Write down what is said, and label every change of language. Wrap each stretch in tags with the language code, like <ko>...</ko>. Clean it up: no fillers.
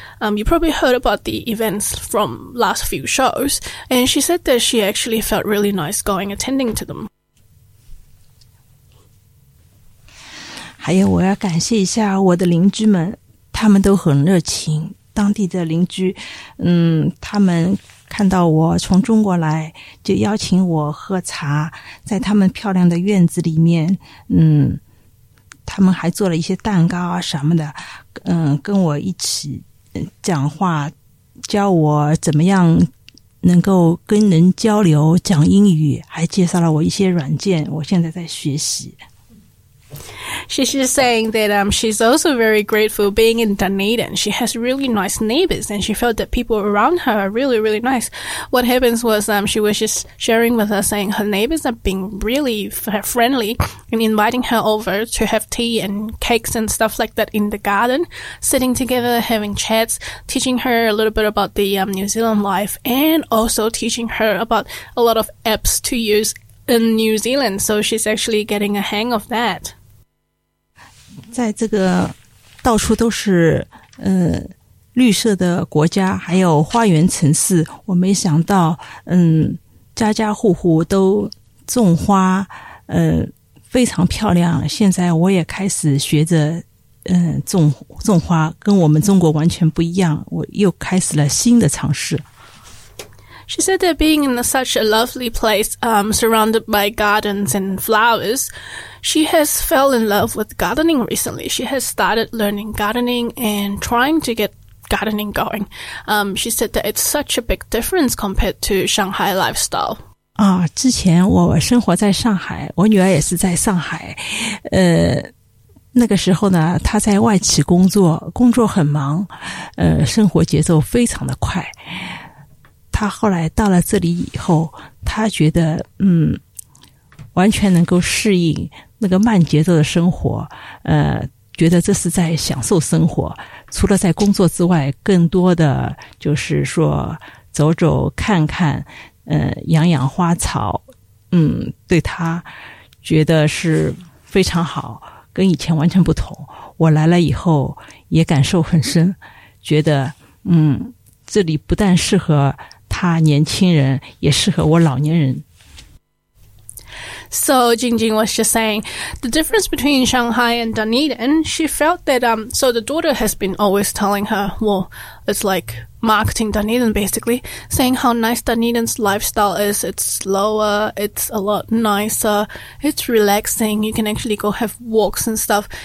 <en>You probably heard about the events from last few shows, and she said that she actually felt really nice going attending to them.</en> <zh>还有我要感谢一下我的邻居们，他们都很热情，当地的邻居，他们看到我从中国来，就邀请我喝茶，在他们漂亮的院子里面，他们还做了一些蛋糕啊什么的，跟我一起讲话，教我怎么样能够跟人交流讲英语，还介绍了我一些软件，我现在在学习。</zh> <en>She's just saying that she's also very grateful being in Dunedin. She has really nice neighbors, and she felt that people around her are really, really nice. What happens was she was just sharing with us, saying her neighbors are being really friendly and inviting her over to have tea and cakes and stuff like that in the garden, sitting together, having chats, teaching her a little bit about the New Zealand life, and also teaching her about a lot of apps to use in New Zealand. So she's actually getting a hang of that.</en> <zh>在这个到处都是绿色的国家，还有花园城市，我没想到家家户户都种花，非常漂亮。现在我也开始学着种花，跟我们中国完全不一样，我又开始了新的尝试。</zh> <en>She said that being in such a lovely place, surrounded by gardens and flowers, she has fell in love with gardening recently. She has started learning gardening and trying to get gardening going. She said that it's such a big difference compared to Shanghai lifestyle.</en> <zh>啊，之前我生活在上海，我女儿也是在上海。那个时候呢，她在外企工作，工作很忙，生活节奏非常的快。他后来到了这里以后，他觉得完全能够适应那个慢节奏的生活，觉得这是在享受生活。除了在工作之外，更多的就是说走走看看，养养花草，对他觉得是非常好，跟以前完全不同。我来了以后也感受很深，觉得这里不但适合他年轻人，也适合我老年人。</zh> <en>So Jingjing was just saying the difference between Shanghai and Dunedin. She felt that so the daughter has been always telling her, well, it's like marketing Dunedin basically, saying how nice Dunedin's lifestyle is. It's slower, it's a lot nicer, it's relaxing, you can actually go have walks and stuff.</en>